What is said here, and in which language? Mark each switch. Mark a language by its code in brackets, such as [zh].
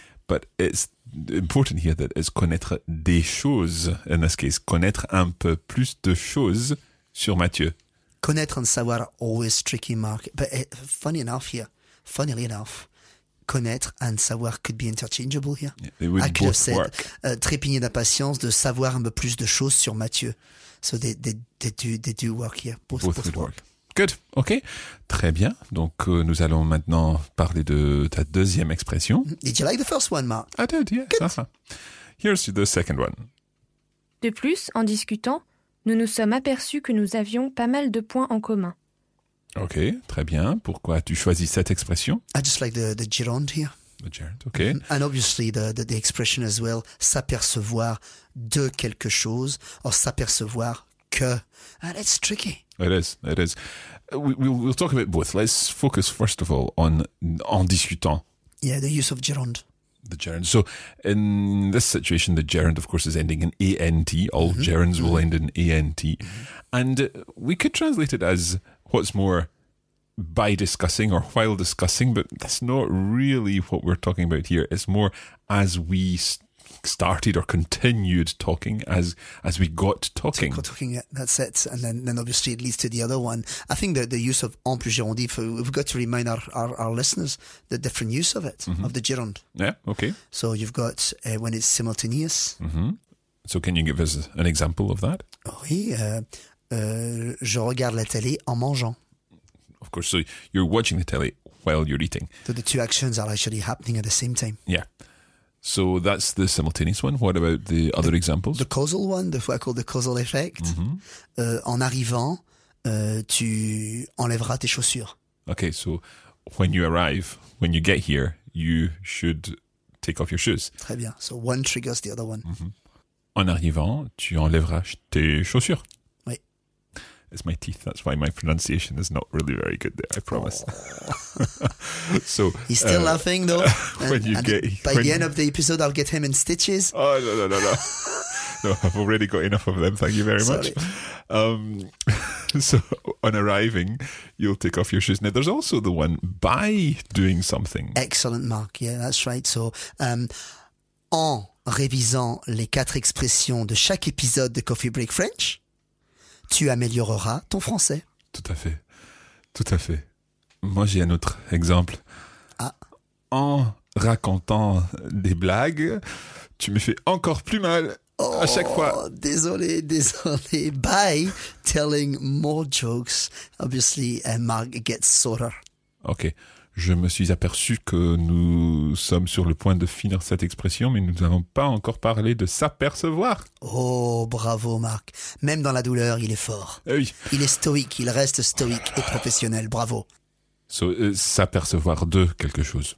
[en] But it's important here that it's [fr] connaître des choses, [en] in this case, [fr] connaître un peu plus de choses sur Mathieu. [en] Connaître and savoir are always tricky, Mark. But funnily enough, connaître and savoir could be interchangeable here. Yeah, they would I could have said, [fr] trépigner d'impatience de savoir un peu plus de choses sur Mathieu. [en] So they do work here. Both would work. Good. OK. [fr] Très bien. Donc, nous allons maintenant parler de ta deuxième expression. [en] Did you like the first one, Mark? I did, yes. Good. Uh-huh. Here's the second one. [fr] De plus, en discutant, nous nous sommes aperçus que nous avions pas mal de points en commun. OK. Très bien. Pourquoi as-tu choisi cette expression? [en] I just like the gerund here. The gerund, OK. Mm-hmm. And obviously the expression as well, [fr] s'apercevoir de quelque chose, [en] or [fr] s'apercevoir que. [en] And it's tricky. It is. We'll talk about both. Let's focus first of all on en discutant. Yeah, the use of gerund. The gerund. So in this situation, the gerund, of course, is ending in A-N-T. All mm-hmm. gerunds mm-hmm. will end in A-N-T. Mm-hmm. And we could translate it as what's more by discussing or while discussing, but that's not really what we're talking about here. It's more as we started or continued talking, as we got talking. Got talking, yeah, that's it. And then obviously it leads to the other one. I think that the use of en plus gérondif, we've got to remind our listeners the different use of it, mm-hmm. of the gérond. Yeah, okay. So you've got when it's simultaneous. Mm-hmm. So can you give us an example of that? [fr] Oui, je regarde la télé en mangeant. [en] Of course, so you're watching the telly while you're eating. So the two actions are actually happening at the same time. Yeah. So that's the simultaneous one. What about the other examples? The causal one, the what I call the causal effect. Mm-hmm. [fr] En arrivant, tu enlèveras tes chaussures. [en] Okay, so when you arrive, when you get here, you should take off your shoes. [fr] Très bien. [en] So one triggers the other one. Mm-hmm. [fr] En arrivant, tu enlèveras tes chaussures. Oui. [en] It's my teeth. That's why my pronunciation is not really very good there, I promise. Oh. So he's still laughing, though. By the end of the episode, I'll get him in stitches. Oh, no. No, I've already got enough of them. Thank you very much. So on arriving, you'll take off your shoes. Now, there's also the one by doing something. Excellent, Mark. Yeah, that's right. So [fr] en révisant les quatre expressions de chaque épisode de Coffee Break French, tu amélioreras ton français. Tout à fait. Moi, j'ai un autre exemple. Ah. En racontant des blagues, tu me fais encore plus mal à chaque fois. Désolé. [en] By telling more jokes, obviously, Mark gets sorer. OK. [fr] Je me suis aperçu que nous sommes sur le point de finir cette expression, mais nous n'avons pas encore parlé de s'apercevoir. Oh, bravo, Marc. Même dans la douleur, il est fort. Oui. Il est stoïque, il reste stoïque et professionnel. Bravo. [en] So, [fr] s'apercevoir de quelque chose.